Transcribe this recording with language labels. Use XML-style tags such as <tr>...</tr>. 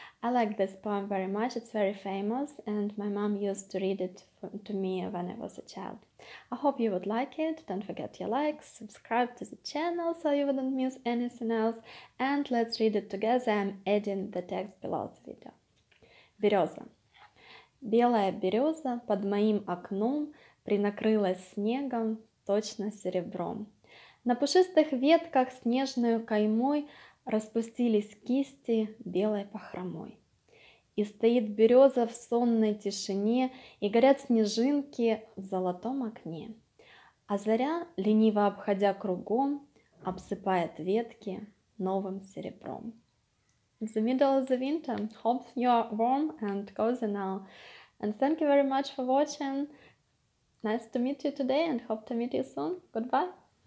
<en>I like this poem very much, it's very famous, and my mom used to read it to me when I was a child. I hope you would like it. Don't forget your like, subscribe to the channel so you wouldn't miss anything else, and let's read it together. I'm adding the text below the video. Береза.</en> <ru>Белая береза под моим окном принакрылась снегом, точно серебром. На пушистых ветках снежную каймой распустились кисти белой бахромой. И стоит береза в сонной тишине, и горят снежинки в золотом окне. А заря, лениво обходя кругом, обсыпает ветки новым серебром.</ru> <en>It's the middle of the winter. Hope you are warm and cozy now. And thank you very much for watching. Nice to meet you today and hope to meet you soon. Goodbye.</en>